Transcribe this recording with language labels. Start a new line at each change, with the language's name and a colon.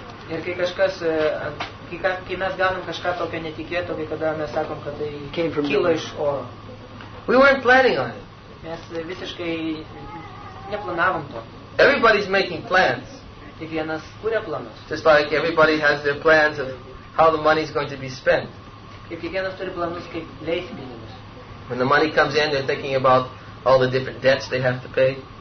Lithuanian: Kai mes gaunam kažką tokio netikėto, kai kada mes sakom, kad tai kilo iš oro.
English: We weren't planning on it.
Lithuanian: Mes visiškai neplanavom to.
English: Everybody's making plans.
Lithuanian: Kiekvienas kuria planus.
English: Just like everybody has their plans of how the money is going to be spent.
Lithuanian: Kiekvienas turi planus, kaip leis pinigus.
English: When the money comes in, they're thinking about all the different debts they have to pay.